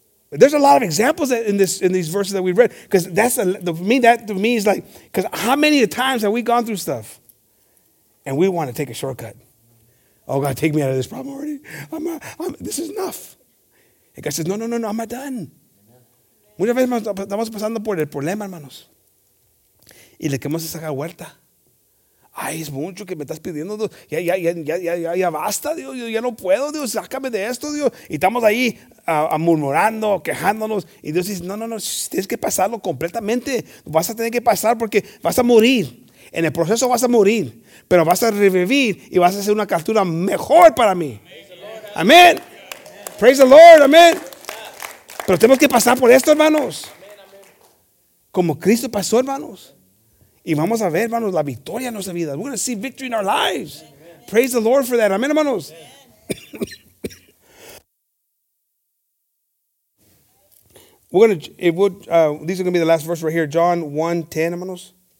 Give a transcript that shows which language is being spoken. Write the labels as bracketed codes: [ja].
[en] There's a lot of examples in this in these verses that we've read. Because that's a, the, for me, that to me is like, because how many times have we gone through stuff and we want to take a shortcut? Oh, God, take me out of this problem already. This is enough. And God says, no, I'm not done. [es] Muchas veces estamos pasando por el problema, hermanos. Y le queremos sacar vuelta. Ay, es mucho que me estás pidiendo. Ya basta, Dios. Yo ya no puedo, Dios. Sácame de esto, Dios. Y estamos ahí murmurando, quejándonos. Y Dios dice, no. Tienes que pasarlo completamente. Vas a tener que pasar porque vas a morir. En el proceso vas a morir. Pero vas a revivir y vas a hacer una captura mejor para mí. Amén. [en] Praise the Lord. [es] Amén. Pero tenemos que pasar por esto, hermanos. Como Cristo pasó, hermanos. Y vamos a ver, hermanos, la victoria en nuestra vida. [en] We're going to see victory in our lives. Amen. Praise the Lord for that. Amen, hermanos. Amen. These are going to be the last verse right here. John 1:10, hermanos.